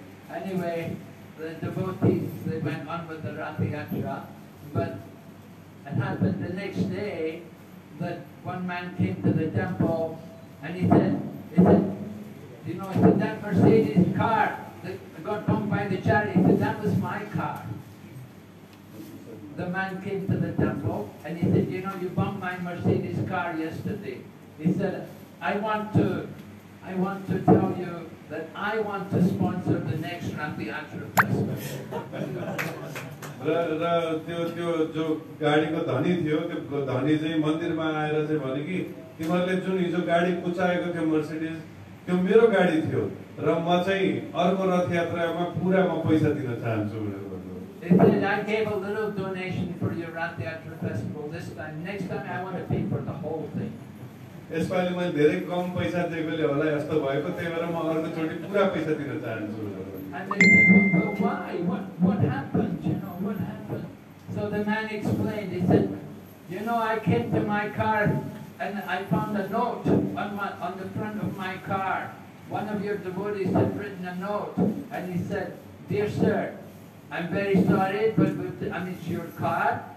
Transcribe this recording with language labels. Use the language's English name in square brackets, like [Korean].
[English] Anyway, the devotees, they went on with the Rath Yatra, but it happened the next day that one man came to the temple and he said, you know, he said, that Mercedes car that got bumped by the chariot, he said, that was my car. The man came to the temple and he said, you know, you bumped my Mercedes car yesterday. He said, I want to tell you that I want to sponsor the next Rath Yatra. [Nepali] र त्यो त्यो जो गाडीको धनी थियो त्यो धनी चाहिँ मन्दिरमा आएर चाहिँ भने कि तिमीहरूले जुन हिजो गाडी कुचाएको थियो मर्सिडिज त्यो मेरो गाडी थियो र म चाहिँ अर्को रथयात्रामा पुरा म पैसा दिन चाहन्छु भनेर भन्नुभयो यसपालि मैले धेरै कम पैसा दिएकोले होला यस्तो भएको त्यही भएर म अर्कोचोटि पुरा पैसा दिन चाहन्छु [English] And they said, well, why? What happened? You know, what happened? So the man explained, he said, you know, I came to my car and I found a note on the front of my car. One of your devotees had written a note and he said, dear sir, I'm very sorry, but it's your car.